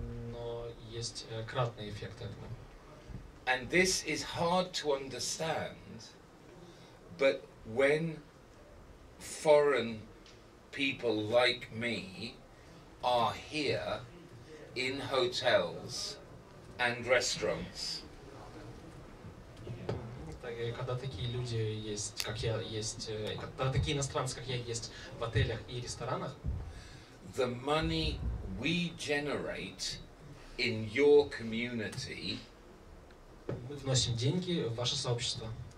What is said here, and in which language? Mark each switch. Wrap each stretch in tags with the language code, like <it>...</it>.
<ru>Но есть кратный эффект этого.</ru> <en>And this is hard to understand, but when foreign people like me are here in hotels and restaurants.</en> <ru>Когда такие люди есть, как я есть, когда такие иностранцы, как я есть, в отелях и ресторанах.</ru> <en>The money we generate in your community.</en> <ru>Мы вносим деньги в ваше сообщество.</ru>